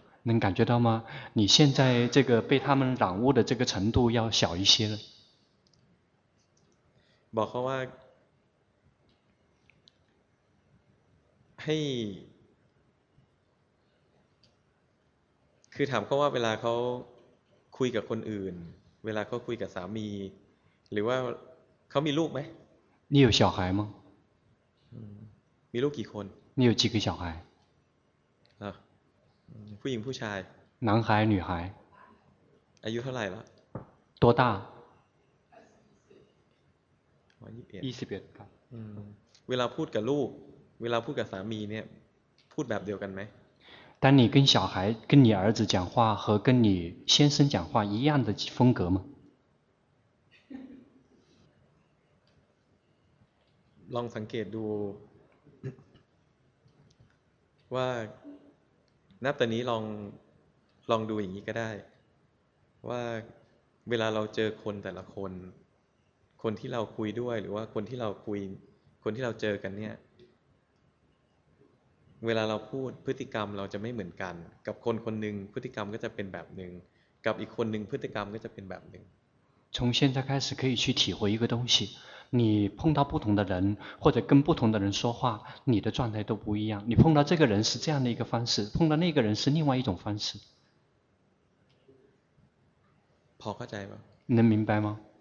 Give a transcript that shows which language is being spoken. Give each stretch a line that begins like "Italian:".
Chinese: 能感觉到吗你现在这个被他们染污的这个程度要小一些了
Thai: บอกเขาว่าให้คือถามเขาว่าเวลาเขาคุยกับคนอื่นเวลาเขาคุยกับสามีหรือว่าเขามีลูกไหม
Chinese: 你有小孩吗
Thai: มีลูกกี่คน
Chinese: 你有几个小孩
Thai: ผู้หญิงผู้ชาย
Chinese: 男孩女孩
Thai: อายุเท่าไหร่แล้ว
Chinese: 多大
Thai: 21ครับเวลาพูดกับลูกเวลาพูดกับสามีเนี่ยพูดแบบเดียวกันไหม
Chinese: 当你跟小孩跟你儿子讲话和跟你先生讲话一样的风格吗
Thai: ลองสังเกตดูว่านับแต่นี้ลองดูอย่างนี้ก็ได้ว่าเวลาเราเจอคนแต่ละคนคนที่เราคุยด้วยหรือว่าคนที่เราคุยคนที่เราเจอกันเนี่ยเวลาเราพูดพฤติกรรมเราจะไม่เหมือนกันกับคนคนหนึ่งพฤติกรรมก็จะเป็นแบบหนึ่งกับอีกคนหนึ่งพฤติกรรมก็จะเป็นแบบหนึ่ง
Chinese: 从现在开始可以去体会一个东西你碰到不同的人或者跟不同的人说话你的状态都不一样你碰到这个人是这样的一个方式碰到那个人是另外一种方式
Thai: พอเข้าใจไห
Chinese: ม能明白吗